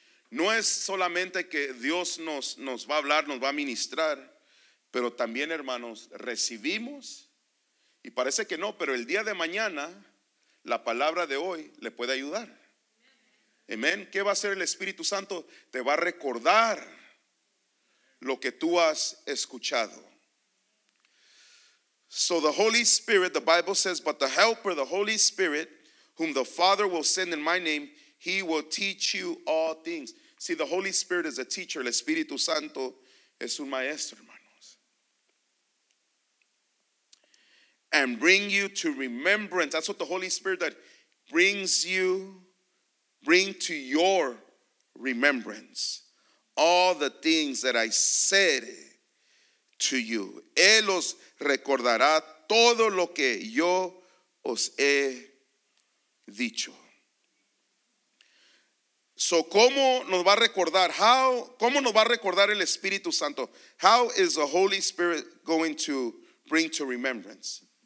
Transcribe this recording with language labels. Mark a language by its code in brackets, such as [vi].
[es] No es solamente que Dios nos va a hablar, nos va a ministrar, pero también, hermanos, recibimos. Y parece que no, pero el día de mañana, la palabra de hoy le puede ayudar. Amén. ¿Qué va a hacer el Espíritu Santo? Te va a recordar lo que tú has escuchado. [en] So the Holy Spirit, the Bible says, but the Helper, the Holy Spirit, whom the Father will send in my name, he will teach you all things. See, the Holy Spirit is a teacher. [es] El Espíritu Santo es un maestro, hermano. [en] And bring you to remembrance. That's what the Holy Spirit that bring to your remembrance. All the things that I said to you. [es] Él os recordará todo lo que yo os he dicho. So, ¿cómo nos va a recordar? ¿Cómo nos va a recordar el Espíritu Santo? [en] How is the Holy Spirit going to bring to remembrance?